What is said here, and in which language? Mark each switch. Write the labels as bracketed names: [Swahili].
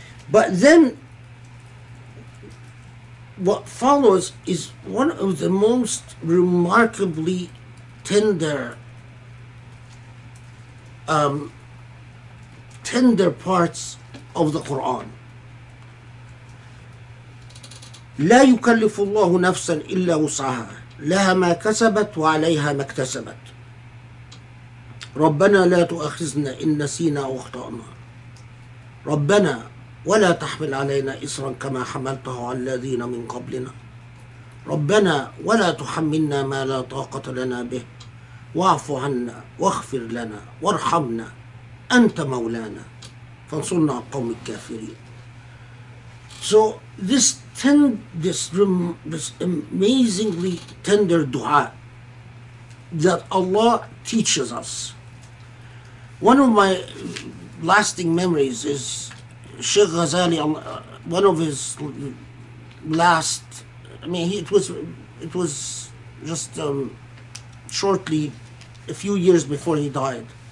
[English] But then what follows is one of the most remarkably tender parts of the Quran. [Arabic] لا يكلف الله نفسا إلا وسعها لها ما كسبت وعليها ما اكتسبت ربنا لا تؤاخذنا إن نسينا أو أخطأنا ربنا ولا تحمل علينا إصرا كما حملته على الذين من قبلنا ربنا ولا تحملنا ما لا طاقة لنا به واعف عنا واغفر لنا وارحمنا أنت مولانا فانصرنا على القوم الكافرين. [English] So this amazingly tender dua that Allah teaches us. One of my lasting memories is Sheikh Ghazali, one of his last, it was just shortly, a few years before he died.